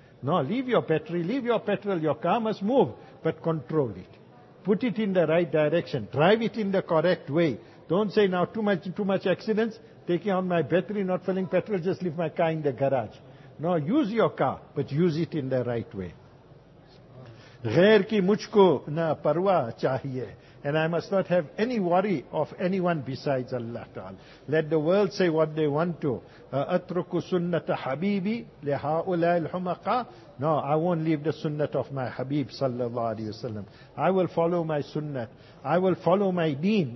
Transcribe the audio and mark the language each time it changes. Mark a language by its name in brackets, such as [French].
[English] No, leave your battery, leave your petrol, your car must move, but control it. Put it in the right direction, drive it in the correct way. Don't say now too much accidents, taking out my battery, not filling petrol, just leave my car in the garage. No, use your car, but use it in the right way. [Urdu] غیر کی مجھ کو نہ پروا چاہیے. [English] And I must not have any worry of anyone besides Allah Ta'ala. Let the world say what they want to. [Arabic] أَتْرُكُ سُنَّةَ حَبِيبِ لِهَاُولَىٰ الْحُمَقَىٰ. [English] No, I won't leave the sunnah of my Habib sallallahu alayhi wa sallam. I will follow my sunnah. I will follow my deen.